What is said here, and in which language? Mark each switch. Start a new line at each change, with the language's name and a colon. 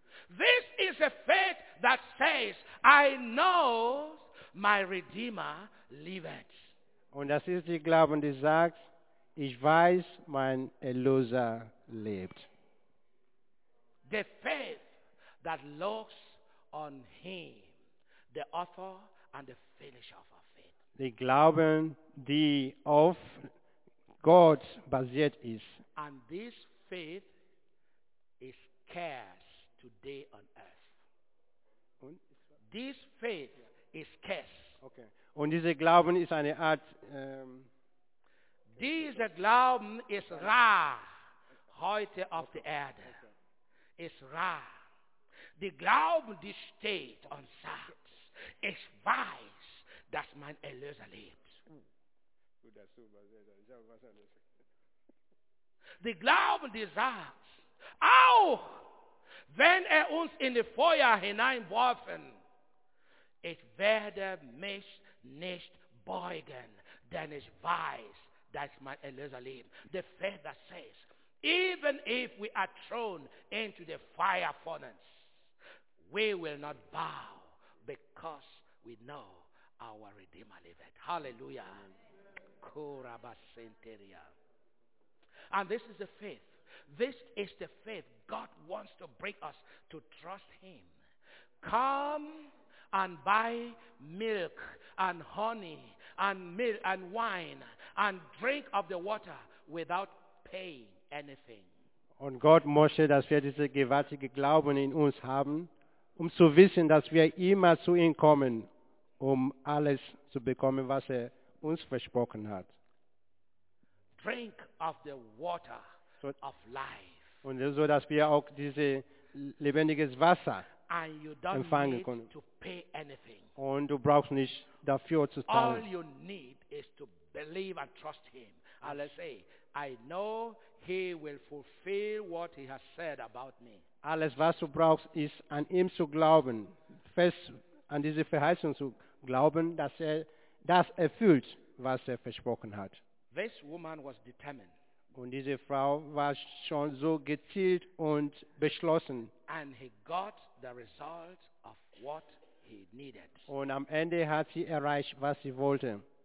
English: This is the faith that says, I know my Redeemer liveth.
German: Und das ist die Glauben, die sagt, ich weiß, mein Erlöser lebt.
English: The faith that looks on him, the author and the finisher of our faith.
German: Die Glauben, die auf Gott basiert ist.
English: And this faith is scarce today on earth. This faith is curse.
German: Okay. Und dieser Glauben ist eine Art dieser Glauben ist rar heute auf der Erde. Ist rar. Die Glauben, die steht und sagt, ich weiß, dass mein Erlöser lebt. Die Glauben, die sagt, auch wenn uns in die Feuer hineinworfen, ich werde mich nicht beugen, denn ich weiß, dass mein Erlöser lebt.
English: The faith that says, even if we are thrown into the fire furnace, we will not bow, because we know our Redeemer liveth. Hallelujah. Kurabasenteria. And this is the faith. This is the faith God wants to bring us to trust Him. Come and buy milk and honey and milk and wine and drink of the water without paying anything.
German: Und Gott möchte, dass wir diese gewaltige Glauben in uns haben, zu wissen, dass wir immer zu ihm kommen, alles zu bekommen, was uns versprochen hat.
English: Drink of the water of life.
German: Und so, dass wir auch dieses lebendiges Wasser
English: and you don't
German: empfangen
English: need
German: können.
English: To pay anything.
German: Und du brauchst nicht dafür zu zahlen.
English: All you need is to believe and trust him. And let's say, I know he will fulfill what he has said about me.
German: Alles, was du brauchst, ist an ihm zu glauben, fest an diese Verheißung zu glauben, dass das erfüllt, was versprochen hat.
English: This woman was determined.
German: Und diese Frau war schon so gezielt und beschlossen.
English: And he got the result of what he needed.
German: Und am Ende hat sie erreicht, was sie wollte.